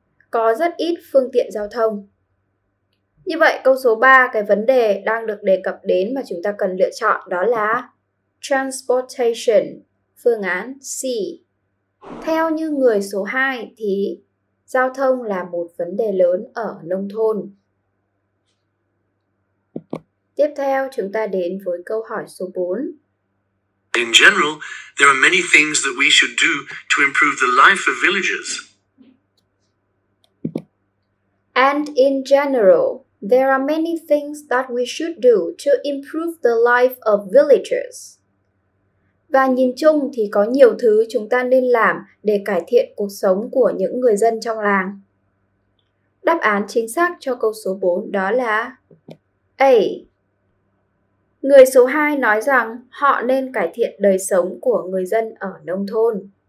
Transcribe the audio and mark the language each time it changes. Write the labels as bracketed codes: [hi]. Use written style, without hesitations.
[vi] Có rất ít phương tiện giao thông. Như vậy, câu số 3, cái vấn đề đang được đề cập đến mà chúng ta cần lựa chọn đó là transportation, phương án C. Theo như người số 2 thì giao thông là một vấn đề lớn ở nông thôn. Tiếp theo, chúng ta đến với câu hỏi số 4. [en] In general, there are many things that we should do to improve the life of villagers. And in general, there are many things that we should do to improve the life of villagers. [vi] Và nhìn chung thì có nhiều thứ chúng ta nên làm để cải thiện cuộc sống của những người dân trong làng. Đáp án chính xác cho câu số 4 đó là A. Người số 2 nói rằng họ nên cải thiện đời sống của người dân ở nông thôn.